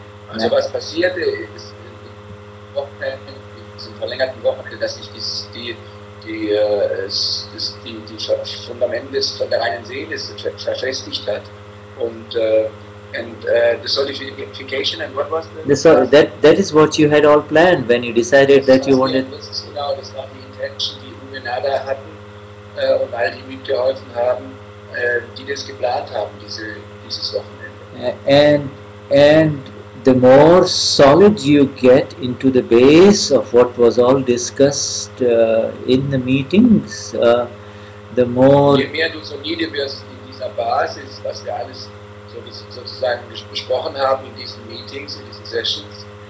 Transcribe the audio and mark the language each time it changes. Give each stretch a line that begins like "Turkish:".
German: Also was passierte ist, in diesen verlängerten Wochen, dass sich die Fundament ist von der reinen Seele verfestigt hat und
English: the solidification and what was the that is what you had all planned when you decided that you wanted.
German: Das ist genau, das war die Intention, die Uwe Nada hatten und all die mir geholfen haben, die das geplant haben, dieses Wochenende.
English: And the more solid you get into the base of what was all discussed in the meetings, the more
German: je mehr du solide wirst in dieser einer Basis, was wir alles so sozusagen besprochen haben in diesen Meetings, in diesen Sessions.